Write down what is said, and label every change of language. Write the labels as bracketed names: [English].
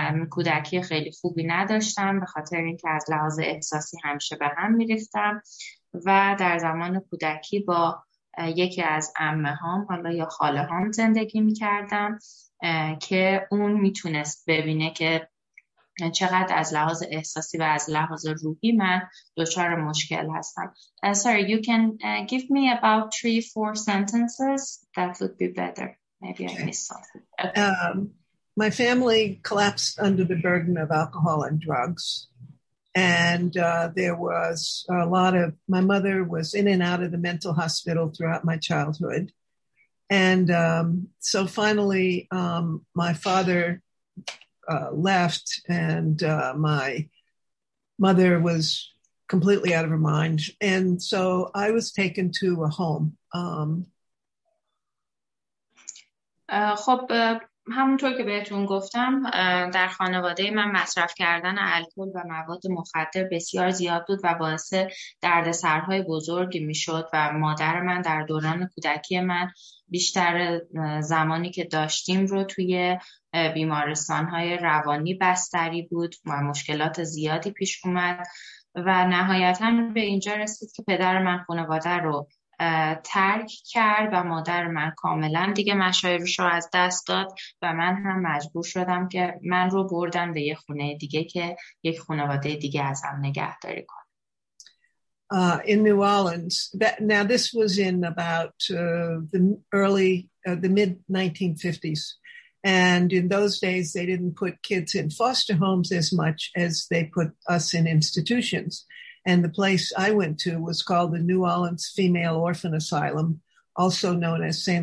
[Persian] کودکی خیلی خوبی نداشتم به خاطر اینکه از لحاظ احساسی همیشه به هم می‌ریختم، و در زمان کودکی با یکی از عمه هام، حالا یا خاله هام، زندگی می‌کردم که اون میتونست ببینه که چقدر از لحاظ احساسی و از لحاظ روحی من دچار مشکل هستم. [English] Sorry, you can give me about 3-4 sentences. That would be better. Maybe okay. I missed something. Okay. My family collapsed under the burden of alcohol and drugs. And there was a lot of... My mother was in and out of the mental hospital throughout my childhood. And so finally, my father... left, and my mother was completely out of her mind. And so I was taken to a home. خب [Persian] همونطور که بهتون گفتم در خانواده من مصرف کردن الکل و مواد مخدر بسیار زیاد بود و باعث دردسرهای بزرگی میشد و مادر من در دوران کودکی من بیشتر زمانی که داشتیم رو توی بیمارستانهای روانی بستری بود و مشکلات زیادی پیش اومد و نهایتاً به اینجا رسید که پدر من خانواده رو ترک کرد و مادر من کاملا دیگه مشایروش رو از دست داد و من هم مجبور شدم که من رو بردم به یه خونه دیگه که یک خانواده دیگه ازم نگهداری کنه. [English] In New Orleans, now this was in about the mid 1950s, and in those days they didn't put kids in foster homes as much as they put us in institutions. And the place I went to was called the New Orleans Female Orphan Asylum, also known as St.